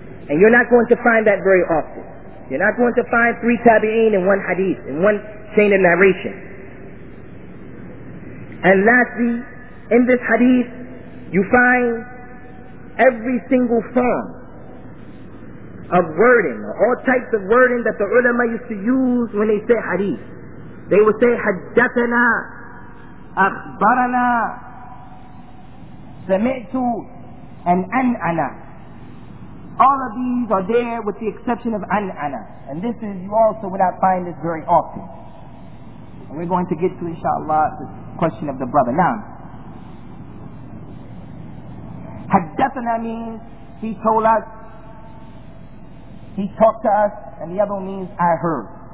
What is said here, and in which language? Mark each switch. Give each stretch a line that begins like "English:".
English: And you're not going to find that very often. You're not going to find three tabi'een in one hadith, in one chain of narration. And lastly, in this hadith, you find every single form of wording, all types of wording that the ulama used to use when they say hadith. They would say,
Arabic: حَدَّثَنَا أَخْبَرَنَا سَمِعْتُ أَنْأَنَا.
English: All of these are there with the exception of an'ana. And this is, you also would not find this very often. And we're going to get to, inshallah, the question of the brother. Now, haddathana means he told us, he talked to us, and the other means I heard.